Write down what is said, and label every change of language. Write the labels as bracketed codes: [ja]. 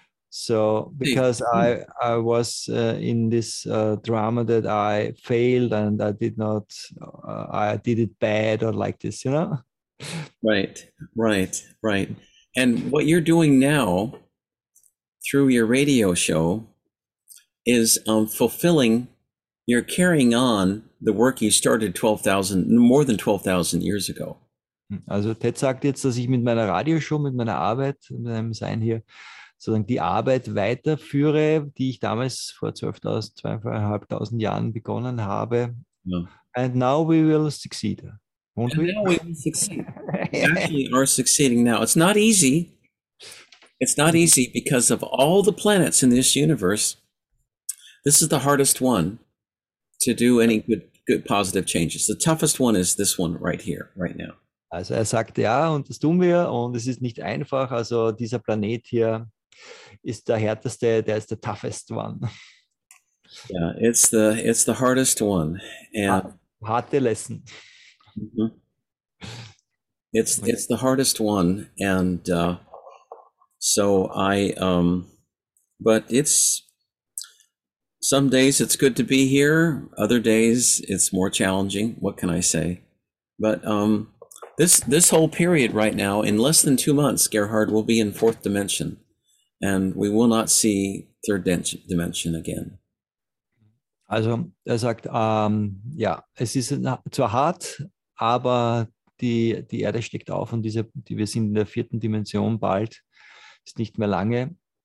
[en] So because I was in this drama that I failed and I did not I did it bad or like this, you know. Right. And what you're doing now through your radio show is fulfilling, you're carrying on the work you started 12,000, more than 12,000 years ago. [de] Also Ted sagt jetzt, dass ich mit meiner Radioshow, mit meiner Arbeit, mit meinem Sein hier sozusagen die Arbeit weiterführe, die ich damals vor 12.000, 2.500 Jahren begonnen habe. [en] No. And now we will succeed, won't And we? now we will succeed. We actually are succeeding now. It's not easy. It's not easy because of all the planets in this universe, this is the hardest one to do any good positive changes. The toughest one is this one right here, right now. [de] Also er sagt ja, und das tun wir, und es ist nicht einfach. Also dieser Planet hier ist der härteste, der ist der toughest [en] Yeah, it's the hardest one. And [de] one. Harte Lesson. [en] it's the hardest one. And so but it's some days it's good to be here. Other days it's more challenging. What can I say? But this whole period right now, in less than 2 months, Gerhard will be in fourth dimension, and we will not see third dimension again. [de] Also, er sagt, ja, es ist zwar hart, aber die Erde steckt auf und wir sind in der vierten Dimension bald, ist nicht mehr lange.